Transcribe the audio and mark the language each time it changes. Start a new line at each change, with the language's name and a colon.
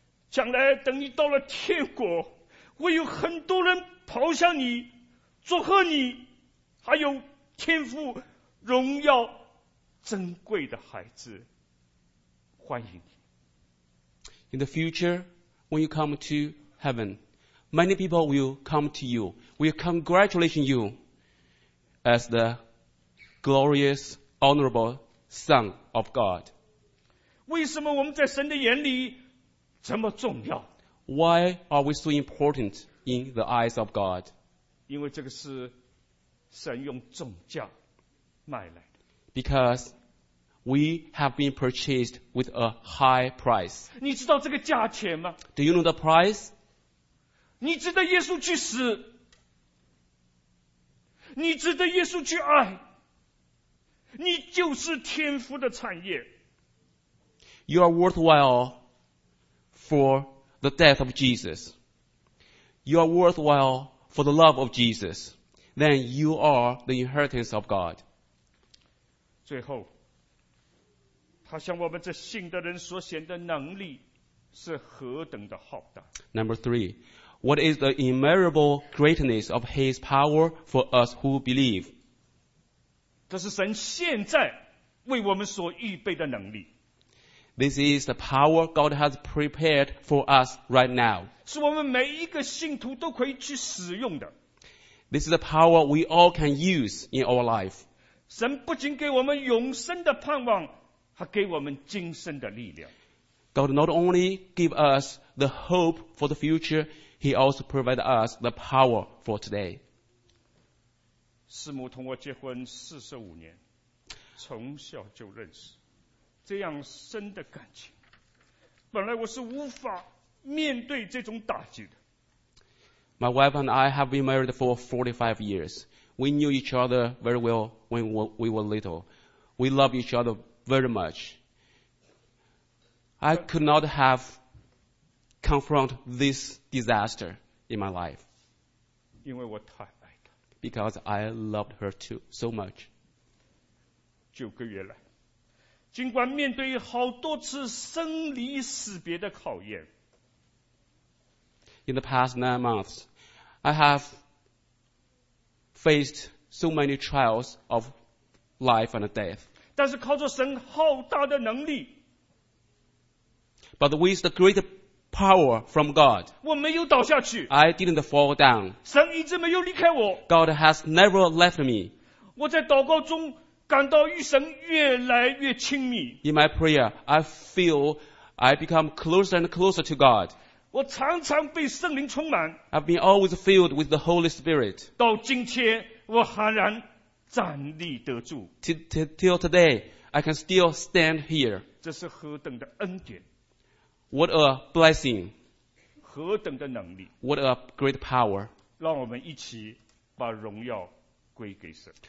Chinese: 将来等你到了天国，会有很多人咆哮你，祝贺你，还有天父荣耀珍贵的孩子，欢迎你。
English: In the future, when you come to heaven, many people will come to you, will congratulate you as the glorious, honorable son of God.
Chinese: 为什么我们在神的眼里这么重要？
English: Why are we so important in the eyes of God?
Chinese: 因为这个是神用重价买来的。
English: Because we have been purchased with a high price.
Chinese: 你知道这个价钱吗？
English: Do you know the price?
Chinese: 你值得耶稣去死，你值得耶稣去爱，你就是天父的产业。
English: You are worthwhile for the death of Jesus. You are worthwhile for the love of Jesus. Then you are the inheritance of God.
Chinese: 最后，他向我们这信的人所显的能力是何等的浩大。
English: Number three, what is the immeasurable greatness of His power for us who believe?
Chinese: 这是神现在为我们所预备的能力。
English: This is the power God has prepared for us right now.
Chinese: 是我们每一个信徒都可以去使用的。
English: This is the power we all can use in our life.
Chinese: 神不仅给我们永生的盼望，还给我们今生的力量。
English: God not only give us the hope for the future, He also provide us the power for today.
Chinese: 师母同我结婚45年，从小就认识。这样深的感情，本来我是无法面对这种打击的。
English: My wife and I have been married for 45 years. We knew each other very well when we were little. We love each other very much. I could not have confront this disaster in my life.
Chinese: 因为我太爱她。
English: Because I loved her too, so much.
Chinese: 9个月来，尽管面对好多次生离死别的考验。
English: In the past 9 months, I have faced so many trials of life and death.
Chinese: 但是靠着神浩大的能力。
English: But with the great power from God,
Chinese: 我没有倒下去。
English: I didn't fall down.
Chinese: 神一直没有离开我。
English: God has never left me.
Chinese: 我在祷告中感到与神越来越亲密。
English: In my prayer, I feel I become closer and closer to God.
Chinese: 我常常被圣灵充满。
English: I've been always filled with the Holy Spirit.
Chinese: 到今天，我还然站立得住。
English: Till today, I can still stand here.
Chinese: 这是何等的恩典。
English: What a blessing.
Chinese: 何等的能力。
English: What a great power.
Chinese: 让我们一起把荣耀归给神。